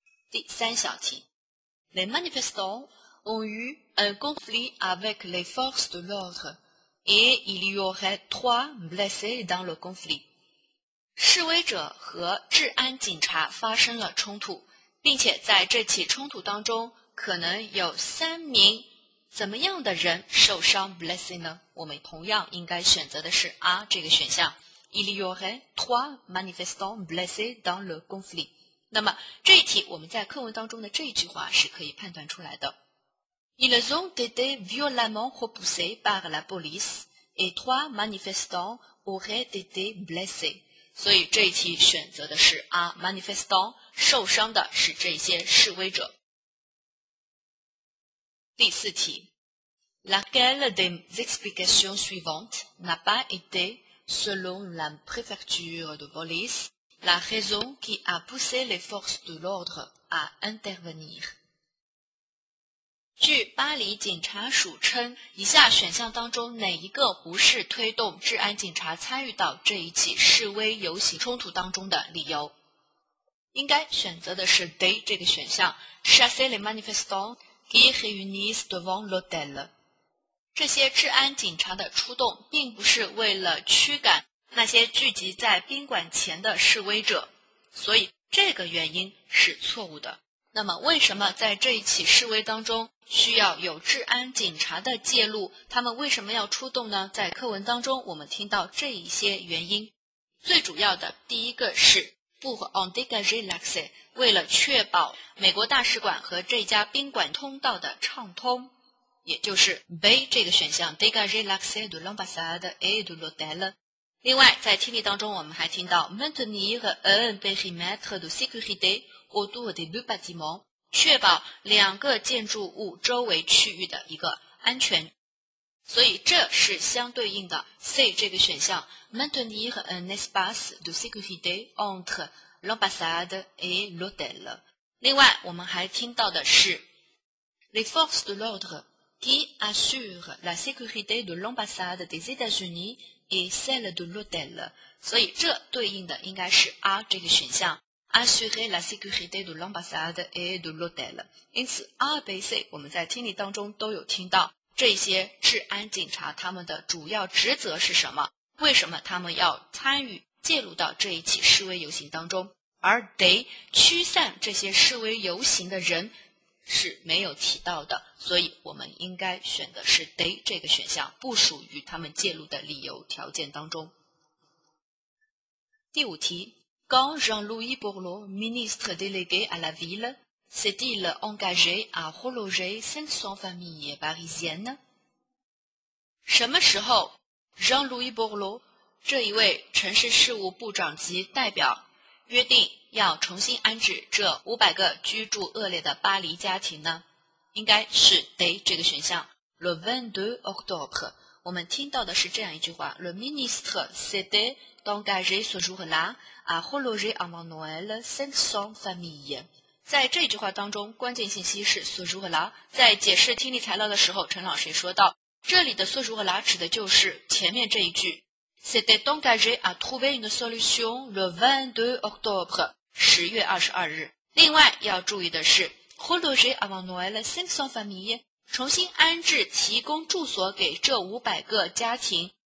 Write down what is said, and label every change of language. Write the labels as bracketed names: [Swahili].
[Chinese] 第三小题 [French] Les manifestants ont eu un conflit avec les forces de l'ordre et il y aurait trois blessés dans le conflit。 [Chinese] 示威者和治安警察发生了冲突，并且在这起冲突当中可能有三名怎么样的人受伤 blessing 呢？我们同样应该选择的是 A 这个选项 [French] Il y aurait trois manifestants blessés dans le conflit。 [Chinese] 那么这一题我们在课文当中的这一句话是可以判断出来的 [French] Ils ont été violemment repoussés par la police et trois manifestants auraient été blessés。 [Chinese] 所以这一题选择的是 A manifestant 受伤的是这些示威者。 [French] 第四题 Laquelle des explications suivantes n'a pas été, selon la préfecture de police, la raison qui a poussé les forces de l'ordre à intervenir? [Chinese] 据巴黎警察署称，以下选项当中哪一个不是推动治安警察参与到这一起示威游行冲突当中的理由？应该选择的是 D 这个选项 [French] Chasser les manifestants qui réunissent devant l'hôtel。 [Chinese] 这些治安警察的出动并不是为了驱赶那些聚集在宾馆前的示威者，所以这个原因是错误的。那么为什么在这一起示威当中需要有治安警察的介入，他们为什么要出动呢？在课文当中我们听到这一些原因，最主要的第一个是 [French] pour en dégager l'accès， [Chinese] 为了确保美国大使馆和这家宾馆通道的畅通，也就是 B 这个选项 [French] dégager l'accès de l'ambassade et de l'hôtel。 [Chinese] 另外在听力当中我们还听到 [French] maintenir un périmètre de sécurité autour des deux bâtiments， [Chinese] 确保两个建筑物周围区域的一个安全。所以这是相对应的 [French] C 这个选项 maintenir un espace de sécurité entre l'ambassade et l'hôtel。 [Chinese] 另外我们还听到的是 [French] les forces de l'ordre qui assurent la sécurité de l'ambassade des États-Unis et celle de l'hôtel。 [Chinese] 所以这对应的应该是 [French] A 这个选项Assurer la sécurité de l'ambassade et de l'hôtel。 [Chinese] 因此 A、B、C 我们在听力当中都有听到这些治安警察他们的主要职责是什么，为什么他们要参与介入到这一起示威游行当中，而得驱散这些示威游行的人是没有提到的，所以我们应该选的是 得 这个选项，不属于他们介入的理由条件当中。第五题， [French] Quand Jean-Louis Borloo, ministre délégué à la ville, s'est-il engagé à reloger 500 familles parisiennes? [Chinese] 什么时候 Jean-Louis Borloo, 这一位城市事务部长级代表，约定要重新安置这500个居住恶劣的巴黎家庭呢？应该是 D 这个选项。 [French] Le 22 octobre, [Chinese] 我们听到的是这样一句话 [French] Le ministre s'était d'engager ce jour-là à reloger avant Noël 500 familles. [Chinese] 在这句话当中关键信息是 [French] ce jour-là, [Chinese] 在解释听力材料的时候陈老师说到这里的 ce jour-là 指的就是前面这一句 [French] C'était engagé à trouver une solution le 22 octobre, [Chinese] 10月22日。另外要注意的是 , [French] reloger avant Noël 500 familles, [Chinese] 重新安置提供住所给这500个家庭。